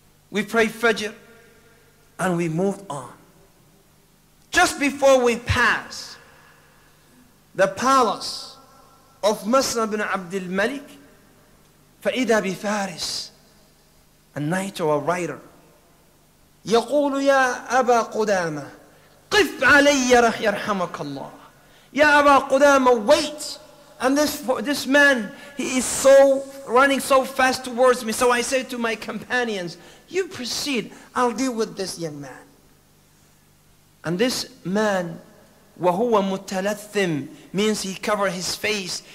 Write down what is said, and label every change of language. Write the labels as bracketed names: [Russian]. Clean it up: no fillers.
[English] We prayed Fajr and we moved on. Just before we passed the palace of Maslam ibn Abd al-Malik, [Arabic] فَإِذَا بِفَارِسِ, [English] a knight or a rider, [Arabic] يَقُولُ يَا أَبَا قُدَامَ قِفْ عَلَيَّ رَحْ يَرْحَمَكَ اللَّهِ. يَا أَبَا قُدَامَ, [English] wait. And this man, he is so running so fast towards me. So I said to my companions, you proceed, I'll deal with this young man. And this man, [Arabic] وَهُوَ مُتَلَثِّم, [English] means he covered his face.